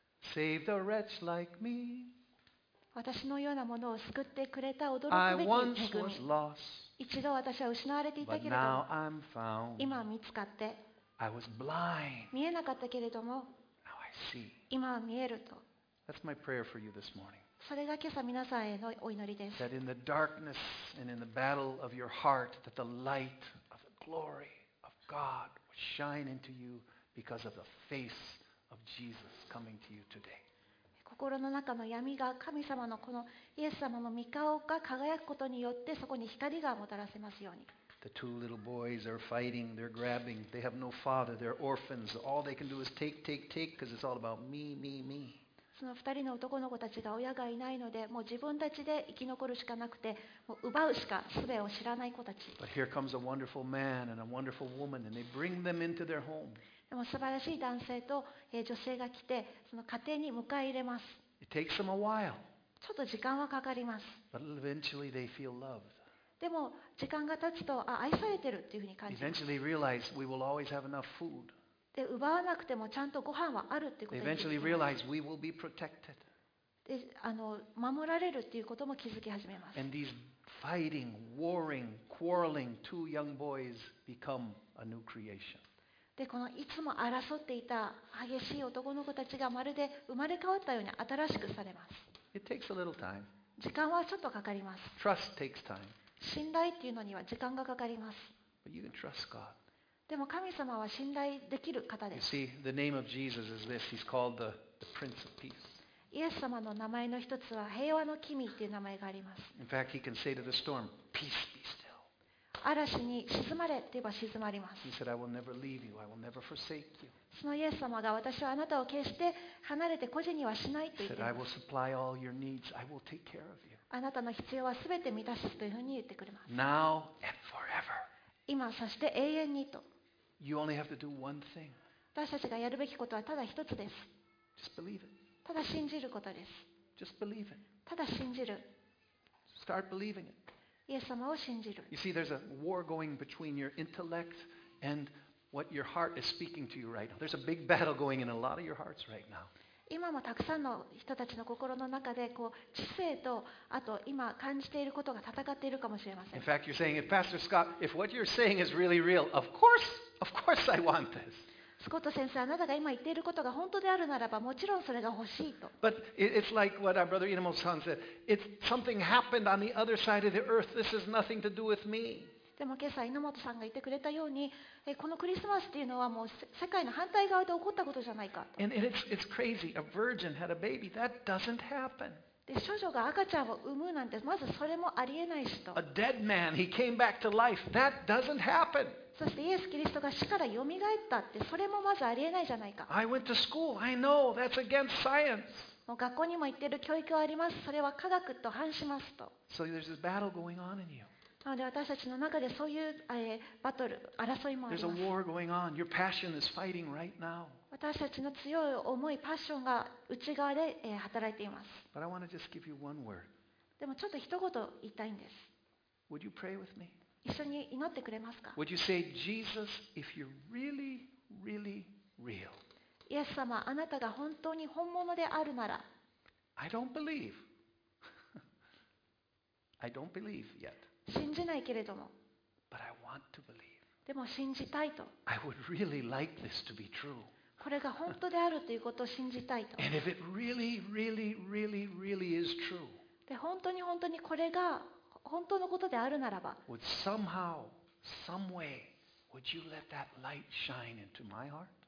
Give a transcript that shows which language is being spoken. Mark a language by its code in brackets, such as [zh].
[en] How sweet the soundSaved a wretch like me. [ja] 私のようなものを救ってくれた驚くべき恵み。 [en] I once was lost, [ja] 一度私は失われていたけれども [en] But now I'm found. [ja] 今見つかって [en] I was blind. [ja] 見えなかったけれども [en] Now I see. [ja] 今は見えると。 [en] That's my prayer for you this morning. [ja] それが今朝皆さんへのお祈りです。 [en] That in the darkness and in the battle of your heart that the light of the glory of God would shine into you because of the faceOf Jesus coming to you today. [ja] 心の中の闇が神様のこのイエス様の御顔が輝くことによってそこに光がもたらせますように。 [en] The two little boys are fighting, they're grabbing, they have no father, they're orphans, all they can do is take, take, take, because it's all about me, me, me. [ja] その二人の男の子たちが親がいないので、もう自分たちで生き残るしかなくて、もう奪うしか術を知らない子たち。 [en] But here comes a wonderful man and a wonderful woman, and they bring them into their home. [ja] でも素晴らしい男性と女性が来てその家庭に迎え入れます。 [en] It takes them a while. [ja] ちょっと時間はかかります。 [en] But eventually they feel loved. [ja] でも時間が経つと愛されてるっていうふうに感じます。 [en] Eventually realize we will always have enough food. [ja] で奪わなくてもちゃんとご飯はあるっていうことに [en] Eventually realize we will be protected. [ja] で守られるっていうことも気づき始めます。 [en] And these fighting, warring, quarreling two young boys become a new creation. [ja] でこのいつも争っていた激しい男の子たちがまるで生まれ変わったように新しくされます。 [en] It takes a little time. [ja] 時間はちょっとかかります。 [en] Trust takes time. [ja] 信頼っていうのには時間がかかります。 [en] But you can trust God. [ja] でも神様は信頼できる方です。 [en] You see, the name of Jesus is this. He's called the Prince of Peace. [ja] イエス様の名前の一つは平和の君っていう名前があります。 [en] In fact, he can say to the storm, Peace, be still. [ja] 嵐に沈まれと言えば沈まります。 [en] He said, I will never leave you. I will never forsake you. [ja] そのイエス様が私はあなたを決して離れて孤児にはしないと言って [en] He said, I will supply all your needs. I will take care of you. [ja] あなたの必要はすべて満たすというふうに言ってくれます。 [en] Now and forever. [ja] 今そして永遠にと。 [en] You only have to do one thing. [ja] 私たちがやるべきことはただ一つです。 [en] Just believe it. [ja] ただ信じることです。 [en] Just believe it. [ja] ただ信じる。 [en] Start believing it. [ja] イエス様を信じる。 [en] You see, there's a war going between your intellect and what your heart is speaking to you right now. There's a big battle going in a lot of your hearts right now. [ja] 今もたくさんの人たちの心の中でこう知性とあと今感じていることが戦っているかもしれません。 [en] In fact, you're saying, if Pastor Scott, if what you're saying is really real, of course I want this. [ja] スコット先生、あなたが今言っていることが本当であるならば、もちろんそれが欲しいと。 [en] But it's like what our brother Inamo San said. It's something happened on the other side of the earth. This has nothing to do with me. [ja] でも今朝、猪本さんが言ってくれたように、このクリスマスっていうのはもう世界の反対側で起こったことじゃないかと。 [en] And it's crazy. A virgin had a baby. That doesn't happen. [ja] で少女が赤ちゃんを産むなんてまずそれもありえないしと。 [en] A dead man, he came back to life. That doesn't happen. [ja] そしてイエス・キリストが死から蘇ったってそれもまずありえないじゃないか。 [en] I went to school. I know that's against science. [ja] もう学校にも行ってる教育はあります。それは科学と反しますと。 [en] So there's this battle going on in you. [ja] なので私たちの中でそういうバトル争いもあります。 [en] There's a war going on. Your passion is fighting right now. [ja] 私たちの強い思い、パッションが内側で働いています。 [en] But I want to just give you one word. [ja] でもちょっと一言言いたいんです。 [en] Would you pray with me? [ja] 一緒に祈ってくれますか? [en] Would you say, Jesus, if you're really, really real, [ja] イエス様、あなたが本当に本物であるなら、 [en] I don't believe, I don't believe yet. [ja] 信じないけれども。 [en] But I want to believe. [ja] でも信じたいと。 [en] I would really like this to be true. [ja] これが本当であるということを信じたいと。 [en] And if it really, really, really, really is true. [ja] で本当に本当にこれが本当のことであるならば。 [en] Would somehow, some way, would you let that light shine into my heart?